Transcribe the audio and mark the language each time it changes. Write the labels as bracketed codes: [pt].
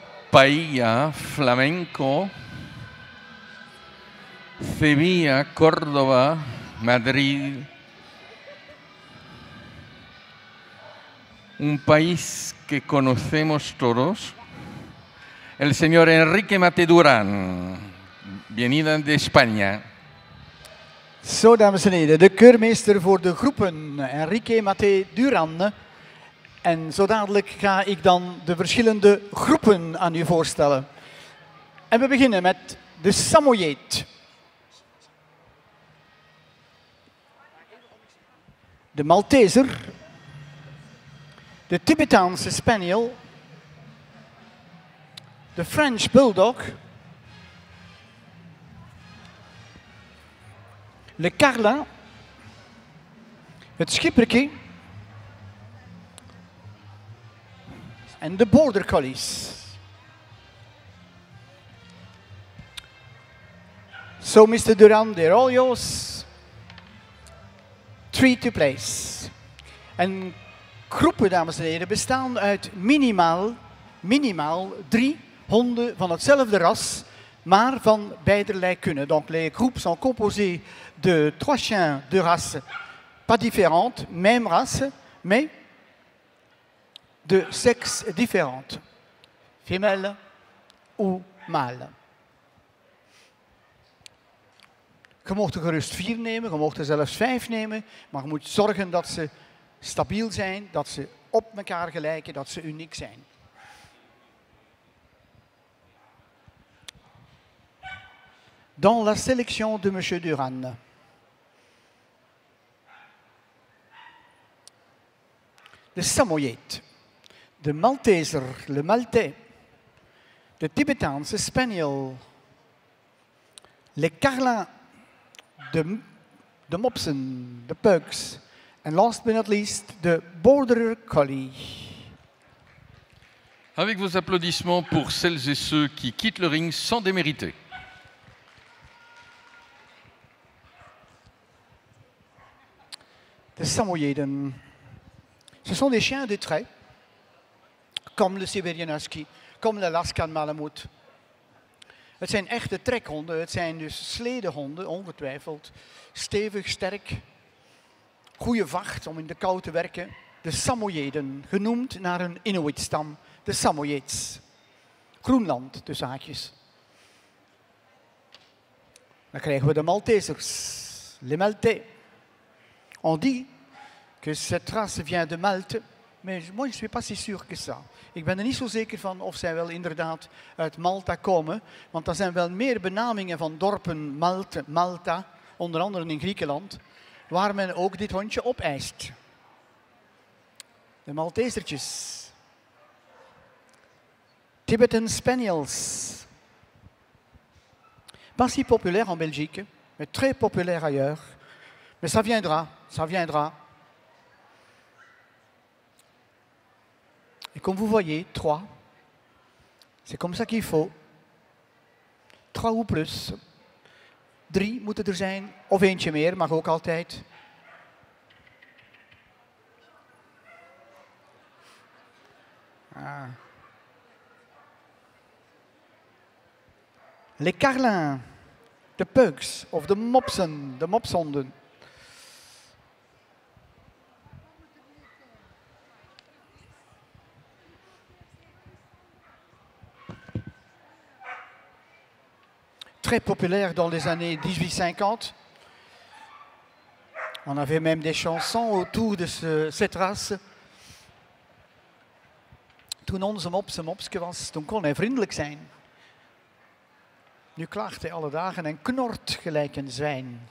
[es] Paella, flamenco, Sevilla, Córdoba, Madrid, un país que conocemos todos, el señor Enrique Mate Durán, venido de España. [nl] Zo, dames en heren, de keurmeester voor de groepen, Enrique Mate Durán. En zo dadelijk ga ik dan de verschillende groepen aan u voorstellen. En we beginnen met de Samoyed. De Malteser. De Tibetaanse Spaniel. De French Bulldog. Le Carla. Het Schipperke. En de Border Collies. [en] So, Mr. Durán, they're all yours. Three to place. [nl] En groepen, dames en heren, bestaan uit minimaal drie honden van hetzelfde ras, maar van beiderlei kunnen. [fr] Donc, les groupes sont composés de trois chiens de race pas différentes, même race, mais de sexe différente, femelle ou mâle. [nl] Je mag er gerust vier nemen, je mag er zelfs vijf nemen, maar je moet zorgen dat ze stabiel zijn, dat ze op elkaar gelijken, dat ze uniek zijn. [fr] dans la sélection de M. Duran. Le Samoyed, le Malteser, le Maltais, le Tibétain, le Spaniel, les Carlins [nl] de Mopsen, de Pugs, [en] and last but not least, the Border Collie. [fr] Avec vos applaudissements pour celles et ceux qui quittent le ring sans démériter. [nl] The Samoyeden. [fr] Ce sont des chiens de trait, comme le Siberian Husky, comme l'Alaskan Malamute. [nl] Het zijn echte trekhonden, het zijn dus sledehonden, ongetwijfeld. Stevig, sterk, goede vacht om in de kou te werken. De Samoyeden, genoemd naar een Inuitstam, de Samoyeds. Groenland, tussen haakjes. Dan krijgen we de Maltesers, [fr] les Maltais. On dit que cette race vient de Malte, mais moi je ne suis pas si sûr que ça. [nl] Ik ben er niet zo zeker van of zij wel inderdaad uit Malta komen, want er zijn wel meer benamingen van dorpen Malte, Malta, onder andere in Griekenland, waar men ook dit hondje opeist. De Maltesertjes. Tibetan Spaniels. [fr] Pas si populaire en Belgique, mais très populaire ailleurs. Mais ça viendra, ça viendra. Et comme vous voyez, trois, c'est comme ça qu'il faut. Trois ou plus. [nl] Drie moeten er zijn, of eentje meer, mag ook altijd. Ah. [fr] Les Carlins, [nl] de Pugs, of de Mopsen, de Mopshonden. [fr] Très populaire dans les années 1850. On avait même des chansons autour de cette race. [nl] Toen onze mopse mopske was, toen kon hij vriendelijk zijn. Nu klaagt hij alle dagen en knort gelijk een zwijn.